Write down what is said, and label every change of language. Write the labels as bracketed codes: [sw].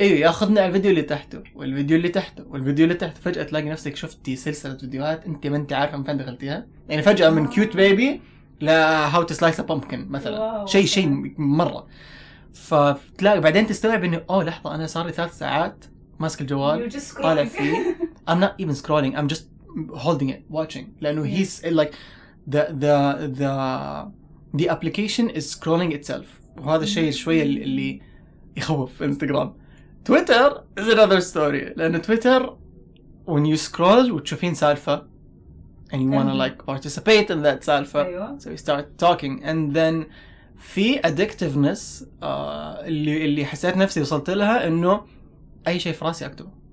[ar] ياخذنا على الفيديو اللي تحته والفيديو اللي تحته والفيديو اللي تحته, فجاه تلاقي نفسك شفتي سلسله فيديوهات انت ما انت عارفه من فين دخلتيها. يعني فجاه من كيوت بيبي لا [en] how to slice [ar] ا بامكن مثلا شيء مره, فتلاقي بعدين تستوعب انه اوه لحظه انا صار لي 3 ساعات ماسك الجوال طالع فيه. [en] I'm not even scrolling, I'm just holding it watching, [ar] لانه [en] he's like the application is scrolling itself. [ar] وهذا الشيء شوية اللي يخوف في انستغرام. [en] Twitter is another story. [ar] لأن تويتر [en] when you scroll [ar] وتشوفين سالفة [en] and you wanna like participate in that سالفة. [ar] أيوة. [en] So you start talking and then [ar] في addictiveness اللي حسيت نفسي وصلت لها انه اي شيء في راسي اكتبه.